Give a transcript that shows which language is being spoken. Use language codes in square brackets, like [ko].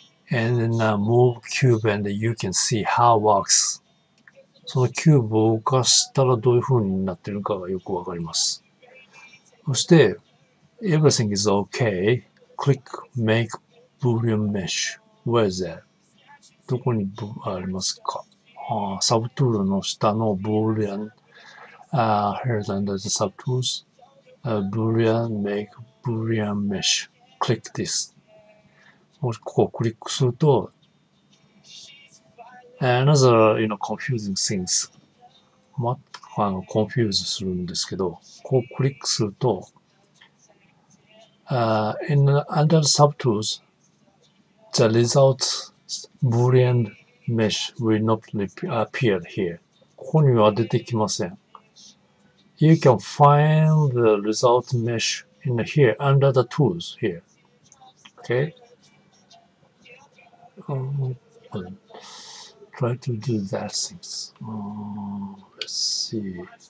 [en] And then、move cube and you can see how it works. [ja] そのキューブを動かしたらどういう風になってるかがよくわかります。 [en] そして、everything is okay. Click make boolean mesh. Where is that? [ja] どこにありますか [en] ?subtool の下の boolean, here's under the subtools, boolean make boolean mesh. Click this. [ja] もしここをクリックすると、 [en] another, you know, confusing things. [ja] また、confuse するんですけど、ここをクリックすると、 [en] in under subtools, the result Boolean mesh will not appear here. [ja] ここには出てきません。 [en] You can find the result mesh in here, under the tools here. Okay? Try to do that things. Let's see.